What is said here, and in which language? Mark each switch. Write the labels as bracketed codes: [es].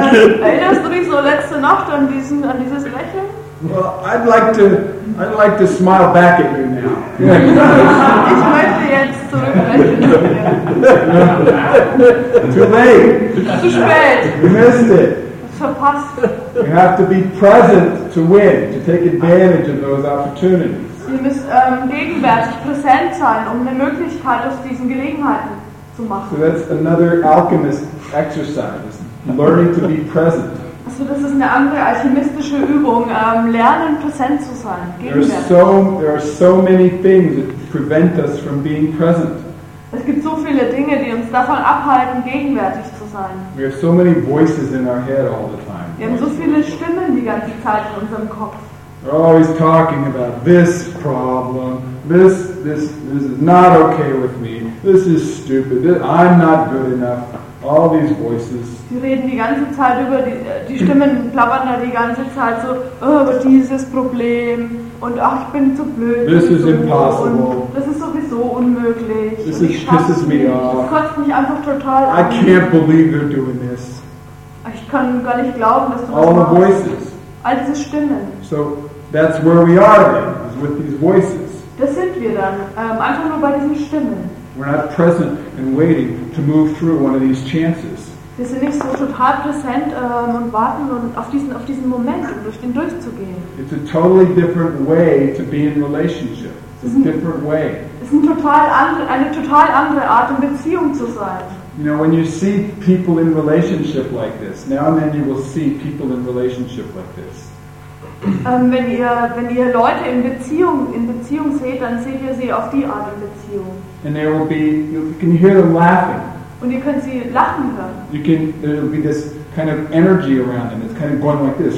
[de] Erinnerst du dich so letzte Nacht an dieses Lächeln? [en] Well, I'd like to smile back at you now. [de] Ich möchte jetzt zurücklächeln. [en] Too late. [de] Zu spät. [en] You missed it. [de] verpasst. [en] You have to be present to win, to take advantage of those opportunities. [de] Ihr müsst gegenwärtig präsent sein, um eine Möglichkeit aus diesen Gelegenheiten zu machen. [en] So that's another alchemist exercise, learning to be present. [de] Also das ist eine andere alchemistische Übung, lernen präsent zu sein, gegenwärtig. [en] There are so many things that prevent us from being present. [de] Es gibt so viele Dinge, die uns davon abhalten, gegenwärtig zu sein. [en] We have so many voices in our head all the time. [de] Wir haben so viele Stimmen die ganze Zeit in unserem Kopf. [en] We're always talking about this problem. This is not okay with me. This is stupid. I'm not good enough. All these voices. [de] Sie reden die ganze Zeit über die Stimmen plappern da die ganze Zeit so über dieses Problem und ach ich bin zu blöd. [en] This is impossible. [de] Das ist sowieso unmöglich. [en] This pisses me off. [de] Das kotzt mich einfach total an. [en] I can't believe they're doing this. [de] Ich kann gar nicht glauben, dass du das machst. [en] All the voices. [de] All diese Stimmen. [en] So that's where we are then, is with these voices. [de] Das sind wir dann einfach nur bei diesen Stimmen. [en] We're not present and waiting to move through one of these chances. [de] Wir sind nicht so total präsent und warten und auf diesen Moment, um durch den durchzugehen. [en] It's a totally different way to be in relationship. It's a different way. [de] Es ist eine total andere Art, in Beziehung zu sein. [en] You know, when you see people in relationship like this, now and then you will see people in relationship like this. [de] Wenn ihr Leute in Beziehung seht, dann seht ihr sie auf die Art in Beziehung. [en] And there will be, you can hear them laughing. [de] Und ihr könnt sie lachen hören. [en] You can, there will be this kind of energy around them. It's kind of going like this.